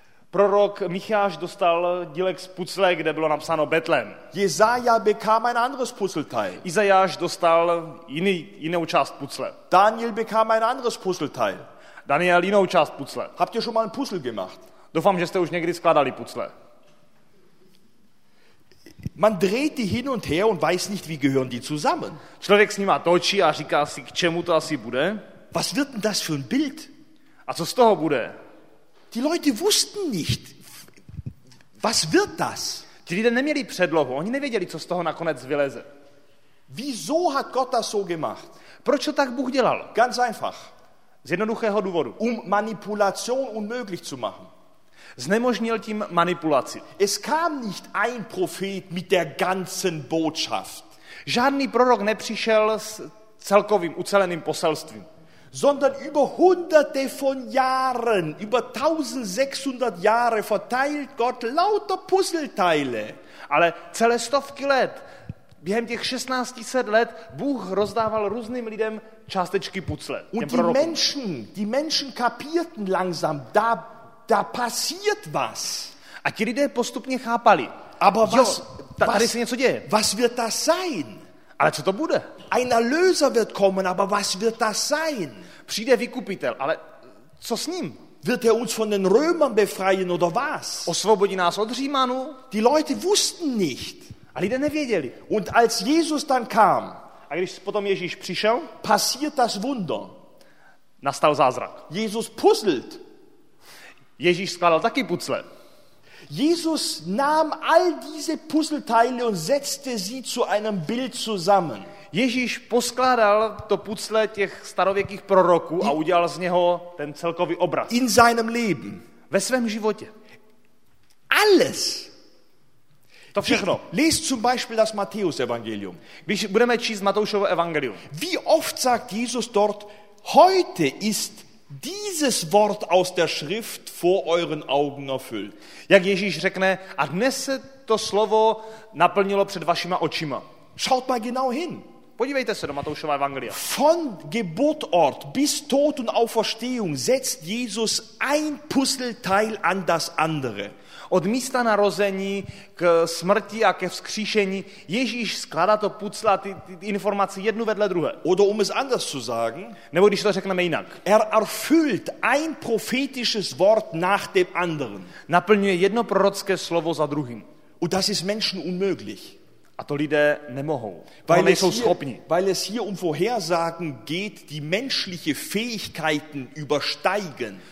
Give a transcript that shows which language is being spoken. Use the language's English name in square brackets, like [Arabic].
[Czech] Prorok Micháš dostal dílek z puzzle, kde bylo napsáno Betlem. [German] Jesaja bekam ein anderes Puzzleteil. [Czech] Izajáš dostal jinou část puzzle. [German] Daniel bekam ein anderes Puzzleteil. [Czech] Daniel jinou část puzzle. [German] Habt ihr schon mal ein Puzzle gemacht? [Czech] Doufám, že jste už někdy skladali puzzle. [German] Man dreht die hin und her und weiß nicht, wie gehören die zusammen. [Czech] Člověk s nima točí a říká si, k čemu to asi bude. [German] Was wird denn das für ein Bild? [Czech] A co z toho bude? [German] Die Leute wussten nicht, was wird das? [Czech] Ti lidé neměli předlohu, oni nevěděli, co z toho nakonec vyleze. [German] Wieso hat Gott das so gemacht? [Czech] Proč to tak Bůh dělal? [German] Ganz einfach. [Czech] Z jednoduchého důvodu. [German] Manipulation unmöglich zu machen. [Czech] Znemožnil tím manipulaci. [German] Es kam nicht ein Prophet mit der ganzen Botschaft. [Czech] Žádný prorok nepřišel s celkovým, uceleným poselstvím. [German] Sondern über hunderte von Jahren, über 1600 Jahre verteilt Gott lauter Puzzleteile. [Czech] Ale celé stovky let, během těch 1600 let, Bůh rozdával různým lidem částečky puzzle. [German] Und die Menschen kapierten langsam, da passiert was. [Czech] A ti lidé postupně chápali. [German] Aber was, [Czech] jo, tady se něco děje. [German] Was wird das sein? [Czech] Ale co to bude? [German] Ein Erlöser wird kommen, aber was wird das sein? [Czech] Přijde vykupitel, ale co s ním? [German] Wird er uns von den Römern befreien oder was? [Czech] Osvobodí nás od Římanů? [German] Die Leute wussten nicht. [Czech] A lidé nevěděli. [German] Und als Jesus dann kam, [Czech] a když potom Ježíš přišel, [German] passiert das Wunder. [Czech] Nastal zázrak. [German] Jesus puzzelt. [Czech] Ježíš skládal taky puzzle. [German] Jesus nahm all diese Puzzleteile und setzte sie zu einem Bild zusammen. [Czech] Ježíš poskládal to puzzle těch starověkých proroků a udělal z něho ten celkový obraz. [German] In seinem Leben. [Czech] Ve svém životě. [German] Alles. [Czech] To všechno. [German] Lest zum Beispiel das Matthäus-Evangelium. [Czech] Když budeme číst Matoušovo evangelium. [German] Wie oft sagt Jesus dort, heute ist dieses Wort aus der Schrift vor euren Augen erfüllt. [Czech] Jak Ježíš řekne, a dnes se to slovo naplnilo před vašima očima. [German] Schaut mal genau hin. [Czech] Podívejte se do Matoušova evangelia. [German] Von Geburtsort bis Tod und Auferstehung setzt Jesus ein Puzzleteil an das andere. [Czech] Od místa narození k smrti a ke vzkříšení Ježíš skládá to puzzle a ty informace jednu vedle druhé. [German] Oder um es anders zu sagen, [Czech] nebo když to řekneme jinak. [German] Er erfüllt ein prophetisches Wort nach dem anderen. [Czech] Naplňuje jedno prorocké slovo za druhým. [German] Und das ist Menschen unmöglich. [Czech] A to lidé nemohou. [German] Weil es [Czech] schopni. [German] Weil es hier um Vorhersagen geht, die menschliche Fähigkeiten übersteigen.